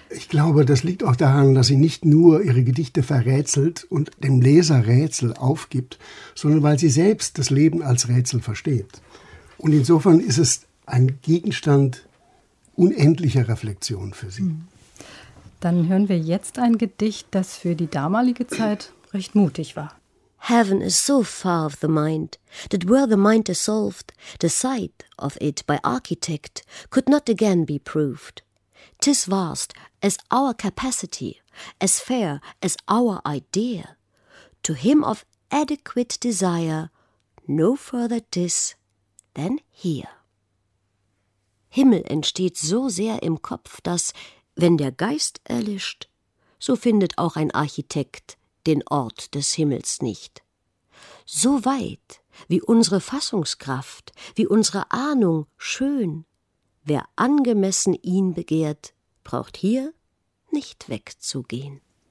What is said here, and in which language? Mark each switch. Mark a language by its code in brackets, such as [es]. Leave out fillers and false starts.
[de] Ich glaube, das liegt auch daran, dass sie nicht nur ihre Gedichte verrätselt und dem Leser Rätsel aufgibt, sondern weil sie selbst das Leben als Rätsel versteht. Und insofern ist es ein Gegenstand unendliche Reflexion für sie. Dann hören wir jetzt ein Gedicht, das für die damalige Zeit recht mutig war. [en] Heaven is so far of the mind, that were the mind dissolved, the sight of it by architect could not again be proved. 'Tis vast as our capacity, as fair as our idea. To him of adequate desire, no further this than here. [de] Himmel entsteht so sehr im Kopf, dass, wenn der Geist erlischt, so findet auch ein Architekt den Ort des Himmels nicht. So weit, wie unsere Fassungskraft, wie unsere Ahnung schön, wer angemessen ihn begehrt, braucht hier nicht wegzugehen.